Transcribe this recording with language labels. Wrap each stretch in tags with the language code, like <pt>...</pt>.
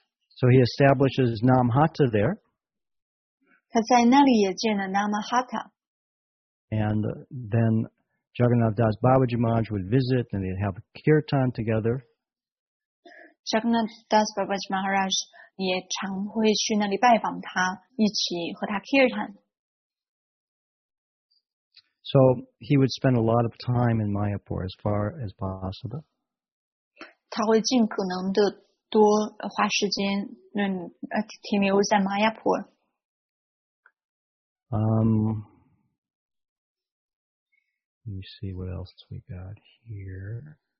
<en>So he establishes Namhata there.</en> <zh>他在那里也建了 Namhata.</zh> <en>And then. Jagannath Das Babaji Maharaj would visit and they'd have a kirtan together.</en> <zh>Jagannath Das Babaji Maharaj 也常会去那里拜访他，一起和他 kirtan.</zh> <en>So he would spend a lot of time in Mayapur as far as possible.</en> <zh>他会尽可能的多花时间停留在 Mayapur.</zh> <en>Let me see what else we got here.</en>